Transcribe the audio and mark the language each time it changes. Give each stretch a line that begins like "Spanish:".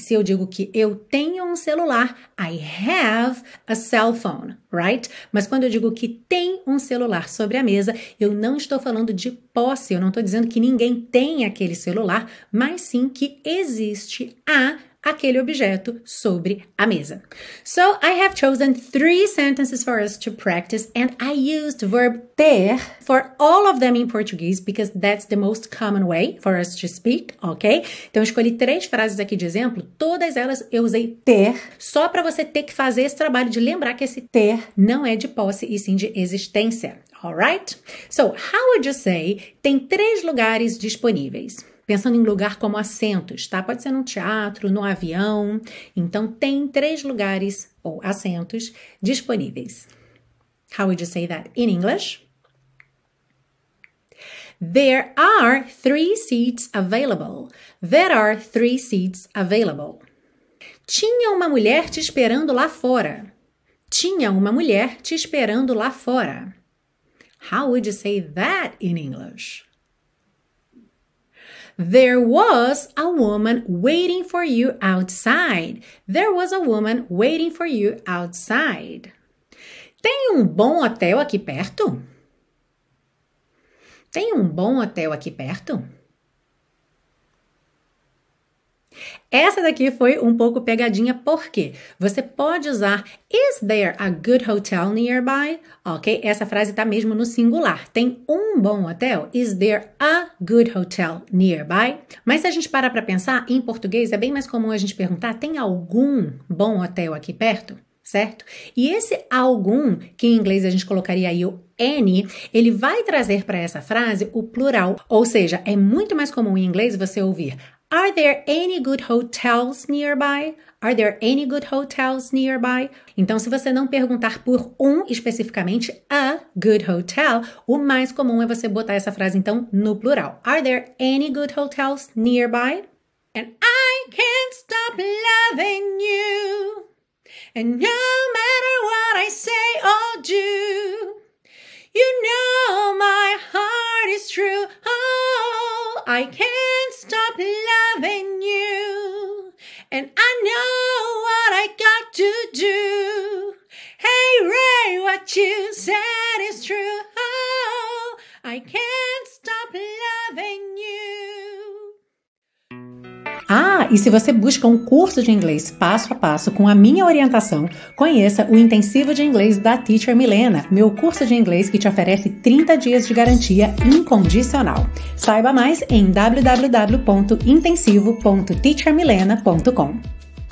Portuguese: Se eu digo que eu tenho um celular,
English: I have a cell phone, right?
Portuguese: Mas quando eu digo que tem um celular sobre a mesa, eu não estou falando de posse, eu não estou dizendo que ninguém tem aquele celular, mas sim que existe a aquele objeto sobre a mesa.
English: So, I have chosen 3 sentences for us to practice, and I used verb ter for all of them in Portuguese, because that's the most common way for us to speak, ok?
Portuguese: Então, eu escolhi 3 frases aqui de exemplo, todas elas eu usei ter, só para você ter que fazer esse trabalho de lembrar que esse ter não é de posse e sim de existência, alright?
English: So, how would you say,
Portuguese: tem 3 lugares disponíveis? Pensando em lugar como assentos, tá? Pode ser num teatro, no avião. Então, tem 3 lugares ou assentos disponíveis.
English: How would you say that in English? There are 3 seats available. There are 3 seats available.
Portuguese: Tinha uma mulher te esperando lá fora. Tinha uma mulher te esperando lá fora.
English: How would you say that in English? There was a woman waiting for you outside. There was a woman waiting for you outside.
Portuguese: Tem bom hotel aqui perto? Tem bom hotel aqui perto? Essa daqui foi pouco pegadinha, porque você pode usar
English: is there a good hotel nearby?
Portuguese: Ok? Essa frase está mesmo no singular. Tem bom hotel?
English: Is there a good hotel nearby?
Portuguese: Mas se a gente parar para pensar, em português é bem mais comum a gente perguntar tem algum bom hotel aqui perto? Certo? E esse algum, que em inglês a gente colocaria aí o any, ele vai trazer para essa frase o plural. Ou seja, é muito mais comum em inglês você ouvir
English: Are there any good hotels nearby? Are there any good hotels nearby?
Portuguese: Então, se você não perguntar por especificamente,
English: a good hotel,
Portuguese: o mais comum é você botar essa frase, então, no plural.
English: Are there any good hotels nearby? And I can't stop loving you. And no matter what I say or do, you know my heart is true. Oh, I can't stop loving you. And I know what I got to do. Hey Ray, what you said is true. Oh, I can't stop loving you.
Portuguese: Ah, e se você busca curso de inglês passo a passo com a minha orientação, conheça o Intensivo de Inglês da Teacher Milena, meu curso de inglês que te oferece 30 dias de garantia incondicional. Saiba mais em www.intensivo.teachermilena.com.